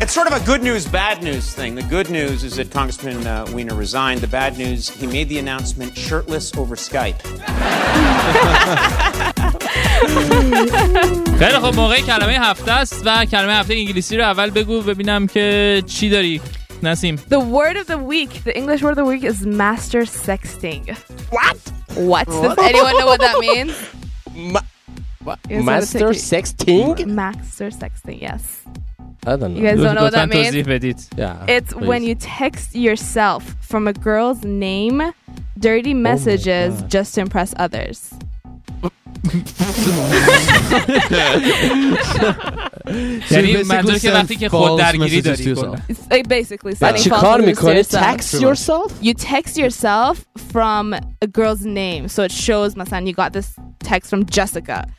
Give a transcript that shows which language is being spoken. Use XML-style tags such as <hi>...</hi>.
<en>It's sort of a good news, bad news thing. The good news is that Congressman Weiner resigned. The bad news, he made the announcement shirtless over Skype.</en> <fa>خیلی خب موقع کلمه هفته است و کلمه هفته انگلیسی رو اول بگو ببینم که چی داری نسیم.</fa> <en>The word of the week, the English word of the week is master sexting. What? Does anyone know what that means? Master sexting? Master sexting, yes. I don't know. You guys don't know what that means? Yeah, it's please. When you text yourself from a girl's name, dirty messages just to impress others.</en> <fa>یعنی منظور که وقتی که خود درگیری داری</fa> <en>basically sending false messages to yourself. You text yourself? You text yourself from a girl's name, so it shows مثلا you got this text from Jessica.</en>